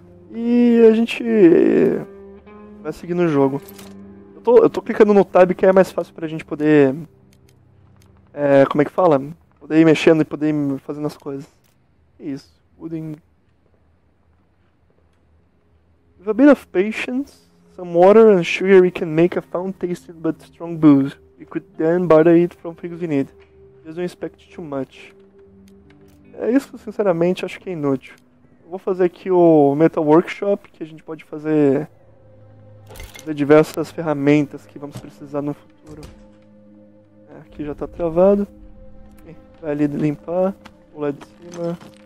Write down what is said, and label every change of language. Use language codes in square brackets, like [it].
[pt] E a gente vai seguir no jogo. Eu tô clicando no tab que é mais fácil pra gente poder... como é que fala? Poder ir mexendo e poder ir fazendo as coisas. Isso, wooden. [en] With a bit of patience, some water and sugar, we can make a fountain-tasted but strong booze. We could then barter it from things we need. Just don't expect too much. [pt] É isso, sinceramente, acho que é inútil. Eu vou fazer aqui o Metal Workshop, que a gente pode fazer diversas ferramentas que vamos precisar no futuro. Aqui já tá travado. Vai ali limpar, pular de cima.